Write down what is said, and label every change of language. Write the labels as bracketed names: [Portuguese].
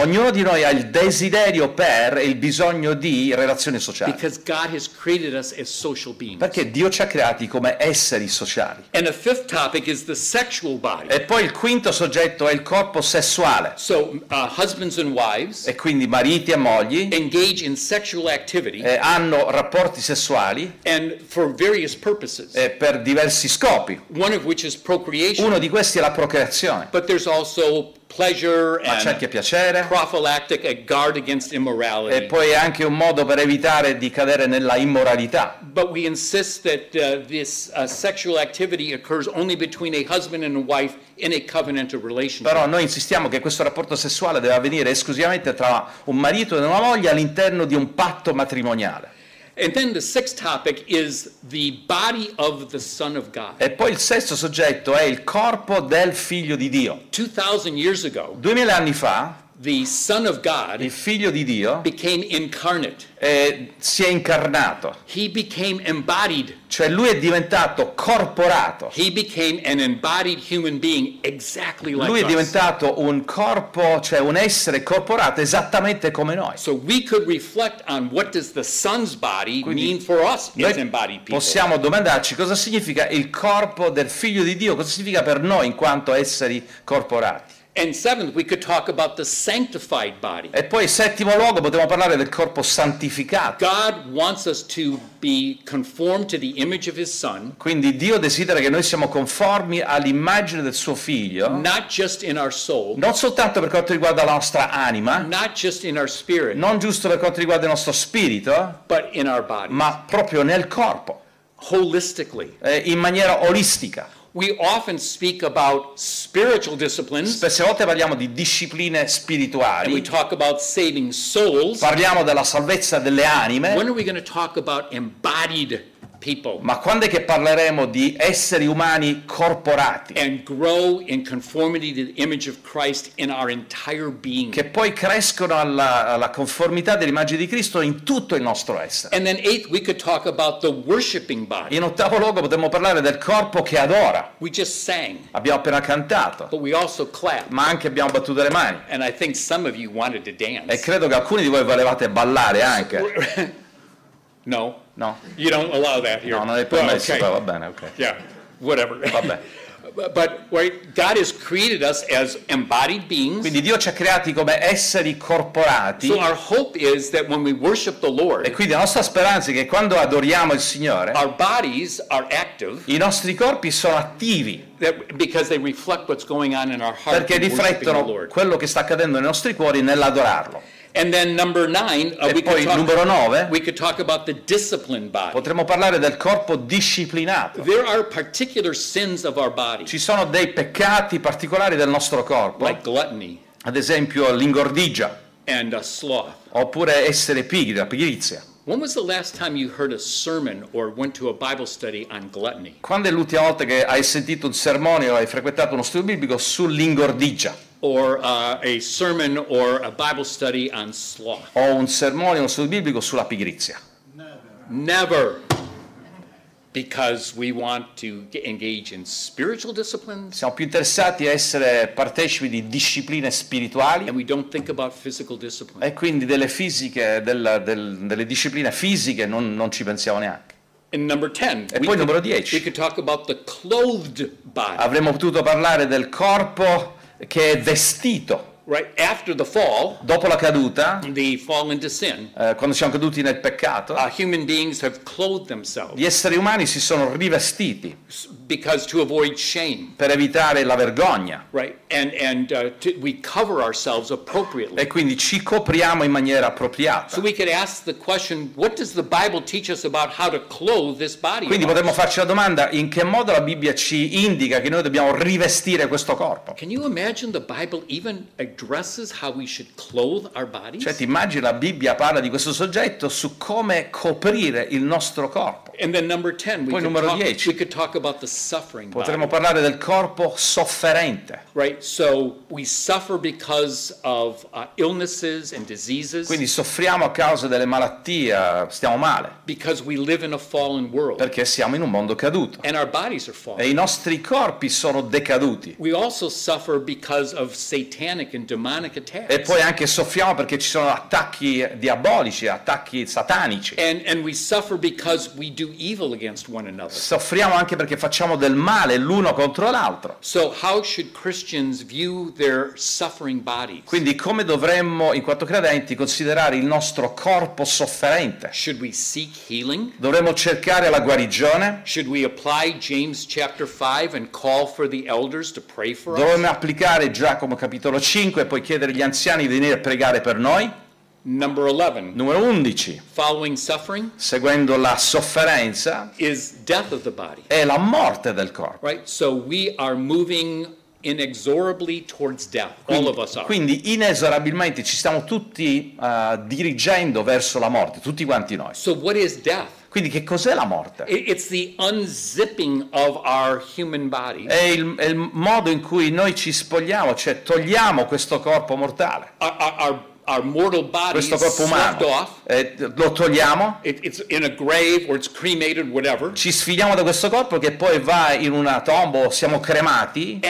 [Italian] Ognuno di noi ha il desiderio per e il bisogno di relazioni sociali. [English] Because God has created us as social beings. [Italian] Perché Dio ci ha creati come esseri sociali. [English] And a fifth topic is the sexual body. [Italian] E poi il quinto soggetto è il corpo sessuale. [English] So husbands and wives. [Italian] E quindi mariti e mogli. [English] Engage in sexual activity. [Italian] E hanno rapporti sessuali. [English] And for various purposes. [Italian] E per diversi scopi. [English] One of which is procreation. [Italian] Uno di questi è la procreazione. [English] But there's also pleasure. [Italian] Ma c'è anche piacere. [English] Prophylactic, a guard against immorality. [Italian] E poi è anche un modo per evitare di cadere nella immoralità. [English] But we insist that this sexual activity occurs only between a husband and a wife in a covenantal relationship. [Italian] Però noi insistiamo che questo rapporto sessuale deve avvenire esclusivamente tra un marito e una moglie all'interno di un patto matrimoniale. [English] And then the sixth topic is the body of the Son of God. [Italian] E poi il sesto soggetto è il corpo del Figlio di Dio. [English] 2000 years ago. [Italian] 2000 anni fa, [English] the Son of God, [Italian] il Figlio di Dio, [English] became incarnate. [Italian] E si è incarnato. [English] He became embodied. [Italian] Cioè lui è diventato corporato. [English] He became an embodied human being exactly like us. [Italian] Lui è diventato un corpo, cioè un essere corporato esattamente come noi. [English] So we could reflect on what does the Son's body mean for us as embodied people. [Italian] Possiamo domandarci cosa significa il corpo del Figlio di Dio, cosa significa per noi in quanto esseri corporati. [English] And seventh, we could talk about the sanctified body. [Italian] E poi settimo luogo potremmo parlare del corpo santificato. [English] God wants us to be conformed to the image of His Son. [Italian] Quindi Dio desidera che noi siamo conformi all'immagine del suo Figlio. [English] Not just in our soul. [Italian] Non soltanto per quanto riguarda la nostra anima. [English] Not just in our spirit. [Italian] Non giusto per quanto riguarda il nostro spirito. [English] But in our body. [Italian] Ma proprio nel corpo. [English] Holistically. [Italian] In maniera olistica. [English] We often speak about spiritual disciplines. [Italian] Spesse volte parliamo di discipline spirituali. [English] And we talk about saving souls. [Italian] Parliamo della salvezza delle anime. [English] When are we going to talk about embodied people? [Italian] Ma quando è che parleremo di esseri umani corporati? [English] And grow in conformity to the image of Christ in our entire being. [Italian] Che poi crescono alla conformità dell'immagine di Cristo in tutto il nostro essere. [English] And then eighth, we could talk about the worshiping body. [Italian] In ottavo luogo potremmo parlare del corpo che adora. [English] We just sang. [Italian] Abbiamo appena cantato. [English] But we also clapped. [Italian] Ma anche abbiamo battuto le mani. [English] And I think some of you wanted to dance. [Italian] E credo che alcuni di voi volevate ballare anche. [English] No. [Italian] No. [English] You don't allow that here. [Italian] No, non è permesso, okay. Va bene, okay. [English] Yeah, whatever. [Italian] Va bene. [English] But right, God has created us as embodied beings. [Italian] Quindi Dio ci ha creati come esseri corporati. [English] So our hope is that when we worship the Lord. [Italian] E quindi la nostra speranza è che quando adoriamo il Signore. [English] Our bodies are active. [Italian] I nostri corpi sono attivi. [English] That because they reflect what's going on in our heart. [Italian] Perché riflettono quello che sta accadendo nei nostri cuori nell'adorarlo. [English] And then number nine, we could talk about the disciplined body. [Italian] Potremmo parlare del corpo disciplinato. [English] There are particular sins of our body. [Italian] Ci sono dei peccati particolari del nostro corpo. [English] Like gluttony. [Italian] Ad esempio l'ingordigia. [English] And a sloth. [Italian] Oppure essere pigri, la pigrizia. [English] When was the last time you heard a sermon or went to a Bible study on gluttony? [Italian] Quando è l'ultima volta che hai sentito un sermone o hai frequentato uno studio biblico sull'ingordigia? [English] Or a sermon or a Bible study on sloth. [Italian] O un sermone o uno studio biblico sulla pigrizia. [English] Never. Because we want to engage in spiritual disciplines. [Italian] Siamo più interessati a essere partecipi di discipline spirituali. [English] And we don't think about physical discipline. [Italian] E quindi delle fisiche, delle discipline fisiche non ci pensiamo neanche. [English] And number 10. [Italian] E poi numero 10. [English] We could talk about the clothed body. [Italian] Avremmo potuto parlare del corpo che è vestito. [English] Right after the fall, [Italian] dopo la caduta, [English] the fall into sin, [Italian] quando siamo caduti nel peccato, [English] human beings have clothed themselves. [Italian] Gli esseri umani si sono rivestiti [English] because to avoid shame, [Italian] per evitare la vergogna. [English] Right, we cover ourselves appropriately. [Italian] E quindi ci copriamo in maniera appropriata. [English] So we could ask the question, what does the Bible teach us about how to clothe this body? [Italian] Quindi potremmo farci la domanda, in che modo la Bibbia ci indica che noi dobbiamo rivestire questo corpo? [English] Can you imagine the Bible even addresses how we should clothe our bodies? [Italian] Cioè, ti immagini, la Bibbia parla di questo soggetto su come coprire il nostro corpo. [English] And then number 10, [Italian] poi numero 10, [English] we could talk about the suffering [Italian] body. Potremmo parlare del corpo sofferente. [English] Right, so we suffer because of illnesses and diseases. [Italian] Quindi soffriamo a causa delle malattie, stiamo male. [English] Because we live in a fallen world. [Italian] Perché siamo in un mondo caduto. [English] And our bodies are fallen. [Italian] E i nostri corpi sono decaduti. [English] We also suffer because of satanic and demonic attacks. [Italian] E poi anche soffriamo perché ci sono attacchi diabolici, attacchi satanici. [English] And we suffer because we do evil against one another. [Italian] Soffriamo anche perché facciamo del male l'uno contro l'altro. [English] So how should Christians view their suffering bodies? [Italian] Quindi come dovremmo, in quanto credenti, considerare il nostro corpo sofferente? [English] Should we seek healing? [Italian] Dovremmo cercare la guarigione? [English] Should we apply James chapter 5 and call for the elders to pray for us? [Italian] Dovremmo applicare Giacomo capitolo 5 e poi chiedere agli anziani di venire a pregare per noi? [English] Number 11. [Italian] Numero 11. [English] Following suffering. [Italian] Seguendo la sofferenza. [English] Is death of the body. [Italian] È la morte del corpo. [English] Right? So we are moving inexorably towards death. [Italian] Quindi, [English] all of us are. [Italian] Quindi inesorabilmente ci stiamo tutti dirigendo verso la morte, tutti quanti noi. [English] So what is death? [Italian] Quindi che cos'è la morte? [English] It's the unzipping of our human body. [Italian] È il modo in cui noi ci spogliamo, cioè togliamo questo corpo mortale. [English] Our mortal body is swept off. [Italian] Lo togliamo. [English] It's in a grave or it's cremated, whatever. [Italian] Ci sfidiamo da questo corpo che poi va in una tomba o siamo cremati.